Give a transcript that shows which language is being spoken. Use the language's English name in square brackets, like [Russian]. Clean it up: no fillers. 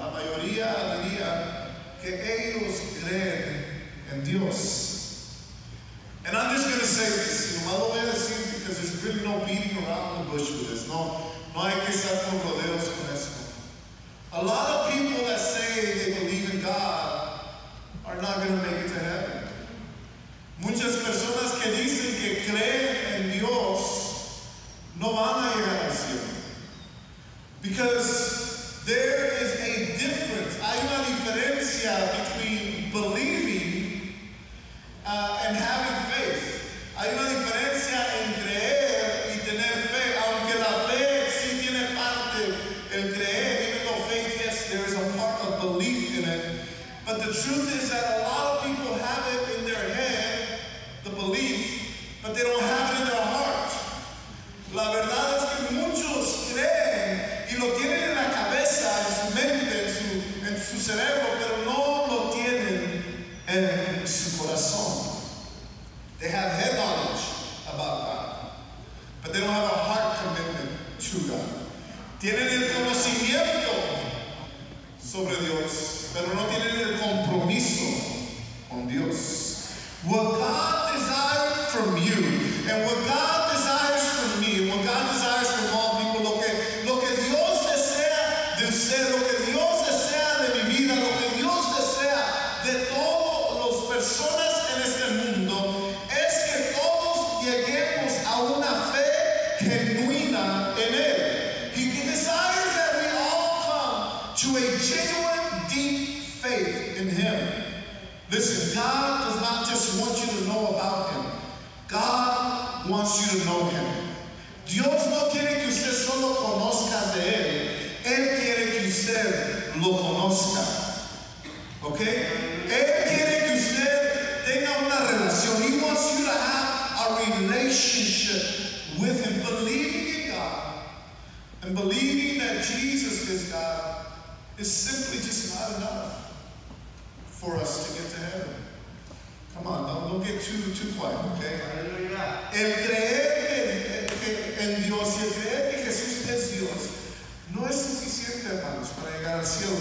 [Spanish] La mayoría diría que ellos creen en Dios. [English] And I'm just going to say this. [Spanish] No me lo voy a decir [English] because there's really no beating around the bush with this. [Spanish] No hay que estar con rodeos con esto. [English] A lot of people that say they believe in God are not going to make it to heaven. [Spanish] Muchas personas que dicen que creen en Dios no van a llegar al cielo. [English] Because there is a difference. [Spanish] Hay una diferencia [English] between believing and having faith. [Spanish] Hay una diferencia en creer y tener fe, aunque la fe sí tiene parte, el creer, [English] even though faith, yes, there is a part of belief in it. But the truth is that a lot of people have it in their head, the belief, but they don't have it in their heart. [Spanish] La verdad es que muchos creen y lo tienen en la cabeza, en su mente, en su cerebro, pero no lo tienen en su corazón. [English] They have head knowledge about God, but they don't have a heart commitment to God. [Spanish] Tienen el conocimiento sobre Dios, pero no tienen el compromiso con Dios. [English] What God desires from you, and what God desires from me, and what God desires from all people, [Spanish] lo que Dios desea de usted, lo que Dios desea de mi vida, lo que Dios desea de todas las personas en este mundo, es que todos lleguemos a una fe genuina en Él. [English] He desires that we all come to a genuine, deep faith in Him. Listen, God does not just want you to know about Him. God wants you to know Him. [Spanish] Dios no quiere que usted solo conozca de Él. Él quiere que usted lo conozca. Okay? Él quiere que usted tenga una relación. [English] He wants you to have a relationship with Him. Believing in God and believing that Jesus is God is simply just not enough for us to get to heaven. Come on, don't get too quiet, okay? Hallelujah. [Spanish] El creer en Dios y el creer que Jesús es Dios no es suficiente, hermanos, para llegar al cielo.